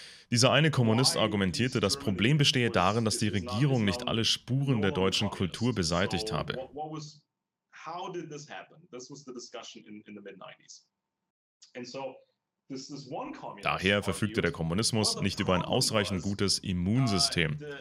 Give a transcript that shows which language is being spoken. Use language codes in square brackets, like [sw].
[de] Dieser eine Kommunist argumentierte, das Problem bestehe darin, dass die Regierung nicht alle Spuren der deutschen Kultur beseitigt habe. [en] How did this happen? This was the discussion in the mid-90s. And so [de] daher verfügte der Kommunismus nicht über ein ausreichend gutes Immunsystem.